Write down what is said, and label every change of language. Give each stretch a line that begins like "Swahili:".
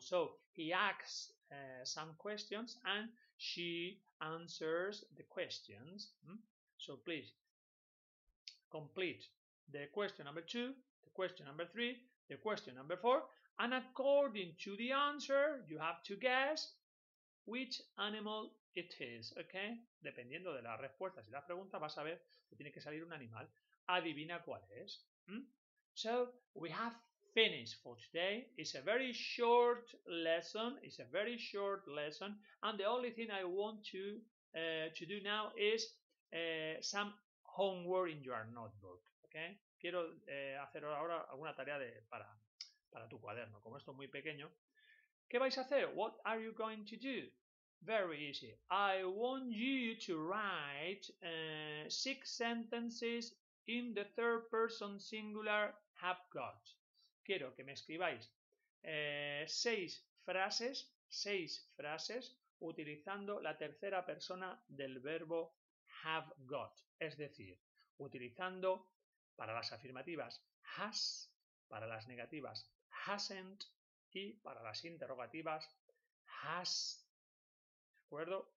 English: So he asks some questions and she answers the questions. So please, complete the question number 2, the question number 3, the question number 4, and according to the answer, you have to guess which animal It is, okay?
Spanish: Dependiendo de las respuestas y la pregunta, vas a ver que tiene que salir un animal. Adivina cuál es.
English: So, we have finished for today. It's a very short lesson. It's a very short lesson. And the only thing I want to do now is some homework in your notebook, okay?
Spanish: Quiero hacer ahora alguna tarea de para tu cuaderno. Como esto es muy pequeño, ¿qué vais a hacer?
English: What are you going to do? Very easy. I want you to write 6 sentences in the third person singular have got.
Spanish: Quiero que me escribáis 6 frases utilizando la tercera persona del verbo have got. Es decir, utilizando para las afirmativas has, para las negativas hasn't y para las interrogativas has. ¿De acuerdo?